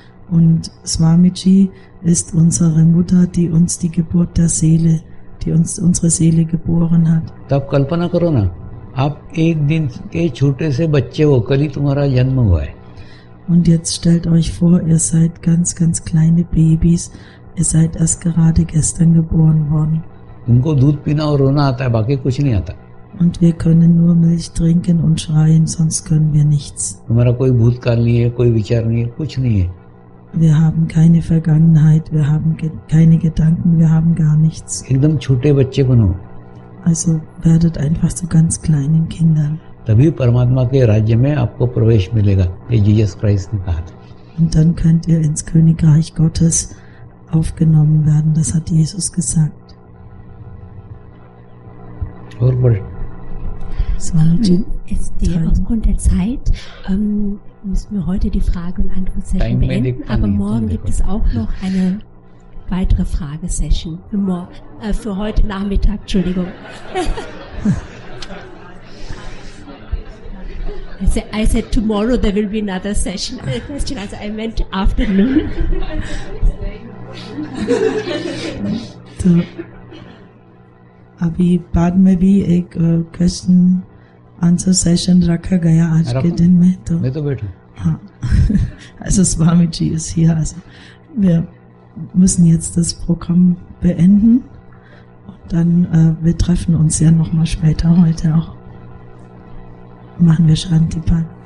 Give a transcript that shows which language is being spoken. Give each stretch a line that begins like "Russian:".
German: Und Swamiji ist unsere Mutter, die uns die Geburt der Seele erwacht. Die uns unsere Seele geboren hat.
Hindi: तब कल्पना करो ना आप एक दिन के छोटे से बच्चे हो कल ही तुम्हारा जन्म हुआ है.
German: Und jetzt stellt euch vor, ihr seid ganz, ganz kleine Babys. Ihr seid erst gerade gestern geboren worden.
Hindi: तुमको दूध पीना और रोना आता है बाकी कुछ नहीं आता.
German: Und wir können nur Milch trinken und schreien, sonst können wir nichts.
Hindi: तुम्हारा कोई भूतकाल नहीं है कोई विचार नहीं है कुछ नहीं है.
German: Wir haben keine Vergangenheit, wir haben keine Gedanken, wir haben gar nichts.
Hindi: एकदम छोटे बच्चे बनो.
German: Also werdet einfach zu ganz kleinen Kindern.
Hindi: तभी परमात्मा के राज्य में आपको प्रवेश मिलेगा. ये जीसस क्राइस्ट ने कहा था.
German: Und dann könnt ihr ins Königreich Gottes aufgenommen werden, das hat Jesus gesagt.
Hindi: और बोल.
German: Swamiji, aufgrund der Zeit müssen wir heute die Frage- und Antwort-Session beenden, aber morgen gibt es auch noch eine weitere Frage-Session für heute Nachmittag, Entschuldigung.
English: I said tomorrow there will be another session. Question, also I meant afternoon. So.
Hindi: अभी बाद में भी एक question answer session रखा गया आज के दिन में तो मैं तो बैठू
German: हाँ also
English: Swami Ji is here
German: also wir müssen jetzt das Programm beenden und dann wir treffen uns ja noch mal später heute auch machen wir Shantipan